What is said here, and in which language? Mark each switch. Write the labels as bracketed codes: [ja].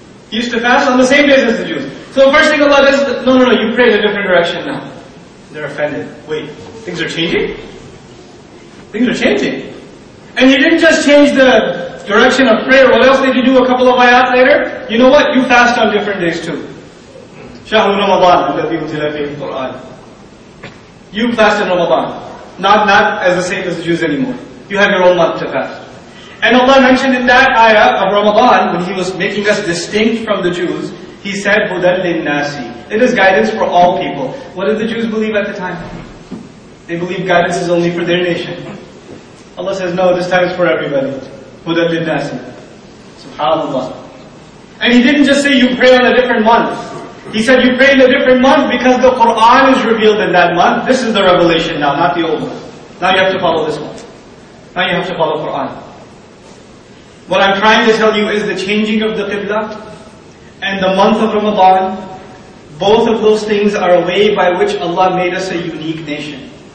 [en] He used to fast on the same days as the Jews. So the first thing Allah does is, no, you pray in a different direction now. They're offended. Wait, things are changing? Things are changing. And you didn't just change the direction of prayer. What else did you do a couple of ayat later? You know what? You fast on different days too. [ar] شَهْرُ رَمَضَانَ الَّذِي أُنْزِلَ فِيهِ الْقُرْآنَ [en] You fast in Ramadan. Not as the same as the Jews anymore. You have your own month to fast. And Allah mentioned in that ayah of Ramadan, when He was making us distinct from the Jews, He said, [ar] هُدَى لِلنَّاسِ [en] It is guidance for all people. What did the Jews believe at the time? They believed guidance is only for their nation. Allah says, no, this time is for everybody. [ar] هُدَى لِلنَّاسِ SubhanAllah. [en] And He didn't just say you pray on a different month. He said, you pray in a different month because the Qur'an is revealed in that month. This is the revelation now, not the old one. Now you have to follow this one. Now you have to follow Qur'an. What I'm trying to tell you is the changing of the Qibla and the month of Ramadan, both of those things are a way by which Allah made us a unique nation.